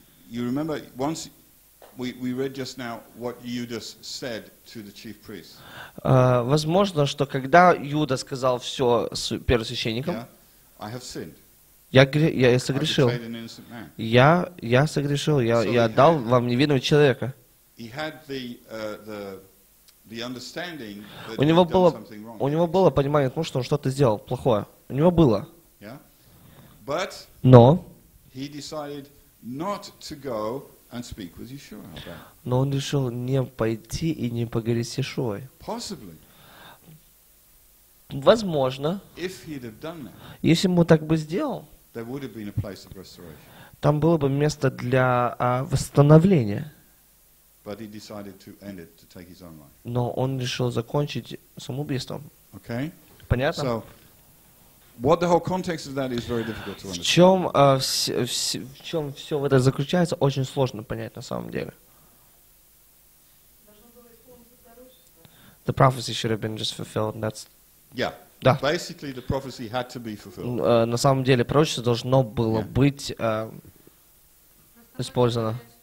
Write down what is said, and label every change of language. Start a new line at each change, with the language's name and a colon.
English: You remember once we read just now what Judas said to the chief priests.
Russian: Возможно, что когда Иуда сказал все первосвященникам,
English: I have sinned.
Russian: Я согрешил. Я согрешил. Я дал вам невинного человека.
English: He had the understanding that he had done something wrong.
Russian: У него было понимание, потому что он что-то сделал плохое. У него было.
English: Yeah. But he decided not to go and speak with Yeshua about.
Russian: Но он решил не пойти и не поговорить с Иешуой.
English: Possibly.
Russian: Возможно.
English: If he'd have done that.
Russian: Если бы он так бы сделал.
English: There would have been a place of restoration.
Russian: Там было бы место для восстановления.
English: But he decided to end it, to take his own life.
Russian: Но он решил закончить самоубийством.
English: Okay.
Russian: Понятно?
English: So, what the whole context of that is very difficult to understand.
Russian: В чем все это заключается, очень сложно понять на самом деле.
English: The prophecy should have been just fulfilled. That's yeah.
Russian: Да.
English: Basically, the prophecy had to be fulfilled.
Russian: На самом деле, пророчество должно было быть использовано.